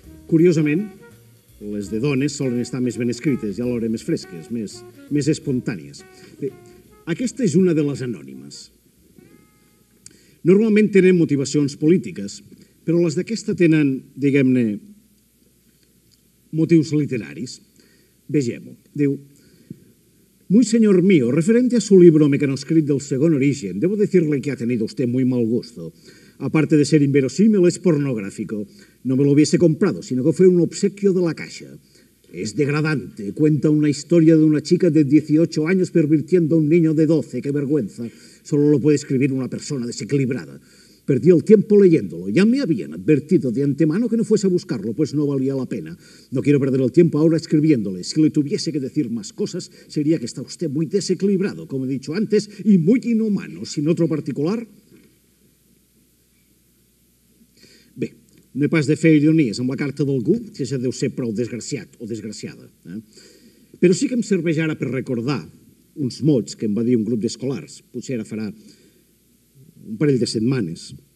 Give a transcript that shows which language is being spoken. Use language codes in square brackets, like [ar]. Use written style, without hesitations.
[ca] Curiosament, les de dones solen estar més ben escrites i alhora més fresques, més espontànies. Bé, aquesta és una de les anònimes. Normalment tenen motivacions polítiques, però les d'aquesta tenen, diguem-ne, motius literaris. Vegem-ho. [es] Diu, muy señor mío, referente a su libro mecanoscrit del segon origen, debo decirle que ha tenido usted muy mal gusto. Aparte de ser inverosímil, es pornográfico. No me lo hubiese comprado, sino que fue un obsequio de la caixa. Es degradante. Cuenta una historia de una chica de 18 años pervirtiendo a un niño de 12. ¡Qué vergüenza! Solo lo puede escribir una persona desequilibrada. Perdí el tiempo leyéndolo. Ya me habían advertido de antemano que no fuese a buscarlo, pues no valía la pena. No quiero perder el tiempo ahora escribiéndole. Si le tuviese que decir más cosas, sería que está usted muy desequilibrado, como he dicho antes, y muy inhumano. Sin otro particular... [ca] Bé, no he pas de fer ironies amb la carta d'algú, si ja deu ser prou desgraciat o desgraciada. Però sí que em serveix ara per recordar uns mots que em va dir un grup d'escolars, potser ara farà un parell de setmanes.